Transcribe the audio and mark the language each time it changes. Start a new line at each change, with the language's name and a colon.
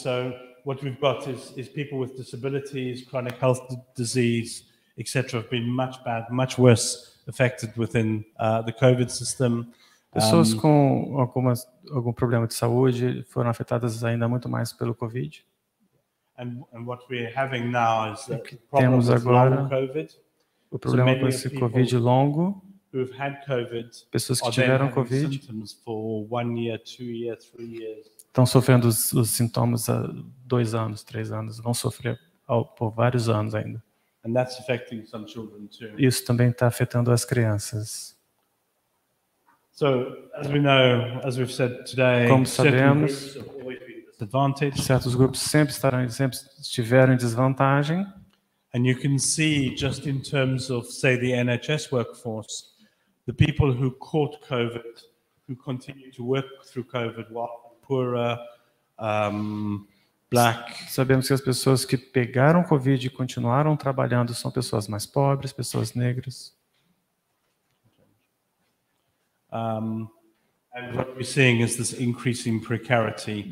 English: So what we've got is people with disabilities, chronic health disease, etc. have been much worse affected within the COVID system.
Portuguese: Pessoas com algum problema de saúde foram afetadas ainda muito mais pelo COVID.
English: And what we're having now is the problem with long COVID.
Portuguese: O problema com esse COVID longo.
English: Who've had COVID,
Portuguese: pessoas que tiveram COVID,
English: symptoms for 1 year, 2 years, 3 years.
Portuguese: Estão sofrendo os sintomas há 2 anos, 3 anos, vão sofrer por vários anos ainda.
English: And that's affecting some children too.
Portuguese: Isso também está afetando as crianças.
English: So, as we know, as we've said today,
Portuguese: como sabemos,
English: disadvantage.
Portuguese: Certos grupos sempre tiveram desvantagem.
English: And you can see just in terms of, say, the NHS workforce, the people who caught COVID, who continue to work through COVID, were poorer, black.
Portuguese: Sabemos que as pessoas que pegaram COVID e continuaram trabalhando são pessoas mais pobres, pessoas negras.
English: And what we're seeing is this increasing precarity.